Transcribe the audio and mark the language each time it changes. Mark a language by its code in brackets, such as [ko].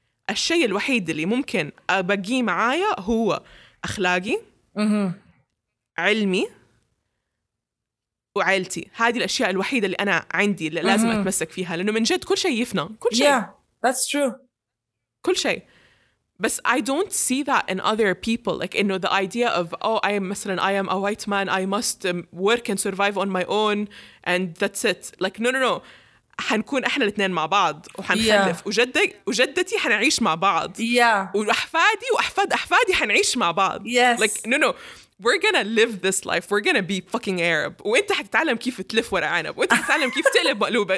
[ar] الشيء الوحيد اللي ممكن أبقي معايا هو أخلاقي mm-hmm. علمي وعائلتي. هذه الأشياء الوحيدة اللي أنا عندي اللي لازم mm-hmm. أتمسك فيها، لأنه من جد كل شيء يفنى. كل شيء. [en] Yeah, that's true. [ar] كل شيء. [en] But I don't see that in other people. Like, you know, the idea of, I am a white man. I must work and survive on my own. And that's it. Like, no. [ar] حنكون احنا الاثنين مع بعض وحنخلف وجدتي حنعيش مع بعض. [en] Yeah. [ar] وأحفادي وأحفاد أحفادي حنعيش مع بعض. [en] Yes. Like, no. We're gonna live this life. We're gonna be fucking Arab. [ar] وانت حتتعلم كيف تلف ورق عنب. وانت حتتعلم كيف تقلب مقلوبة.